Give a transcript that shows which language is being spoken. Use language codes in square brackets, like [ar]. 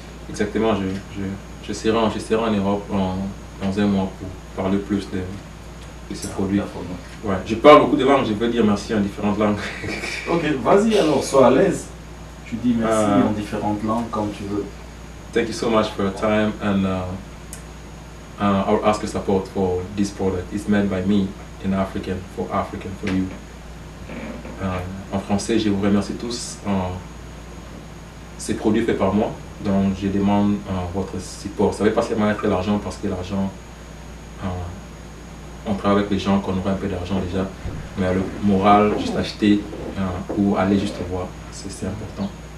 [fr] Exactement, je serai en Europe dans un mois pour parler plus de ces produits. Afronote. Ouais. Je parle beaucoup de langues, je veux dire merci en différentes langues. Ok, vas-y alors, sois à l'aise. Tu dis merci en différentes langues comme tu veux. [en] Thank you so much for your time and I will ask your support for this product. It's made by me in African, for African, for you. [fr] En français, je vous remercie tous. Ces produits faits par moi, donc je demande votre support. Ça ne veut pas seulement être l'argent parce que l'argent, on travaille avec les gens, qu'on aurait un peu d'argent déjà, mais le moral, juste acheter ou aller juste voir, c'est important.